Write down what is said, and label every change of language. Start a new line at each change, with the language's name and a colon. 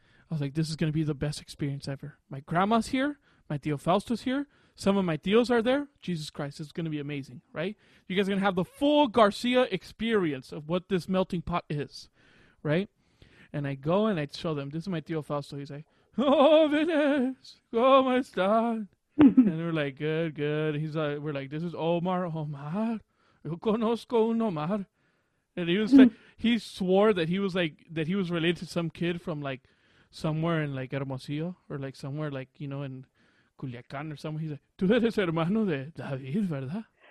English: I was like, this is going to be the best experience ever. My grandma's here. My tío Fausto's here. Some of my tíos are there. Jesus Christ, this is going to be amazing, right? You guys are going to have the full Garcia experience of what this melting pot is, right? And I go and I show them. This is my tío Fausto. He's like, oh, Vines,
Spanish: ¿cómo estás?
English: And we're like, good, good. He's like, we're like, this is Omar. Omar,
Spanish: yo conozco un Omar.
English: And he was like, he swore that he was like, that he was related to some kid from like somewhere in like Hermosillo or like somewhere like, you know, in Culiacán or somewhere. He's like,
Spanish: tú eres hermano de David, ¿verdad?